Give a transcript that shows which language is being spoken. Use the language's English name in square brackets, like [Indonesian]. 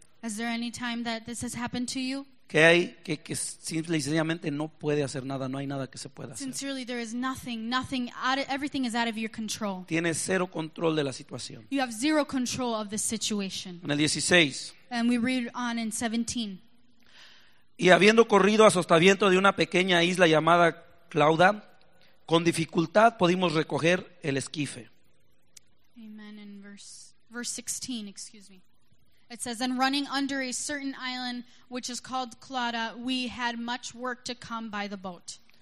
[English] Is there any time that this has happened to you? [Spanish] Que hay que simple y sencillamente no puede hacer nada, no hay nada que se pueda hacer. [English] Sincerely, there is nothing, everything is out of your control. [Spanish] Tienes cero control de la situación. [English] You have zero control of the situation. [Spanish] En el 16. [English] And we read on in 17. [Spanish] Y habiendo corrido a sotavientos de una pequeña isla llamada Clauda, con dificultad pudimos recoger el esquife. [English] Amen. In verse 16, excuse me. It says, and running under a certain island, which is called Clauda, we had much work to come by the boat.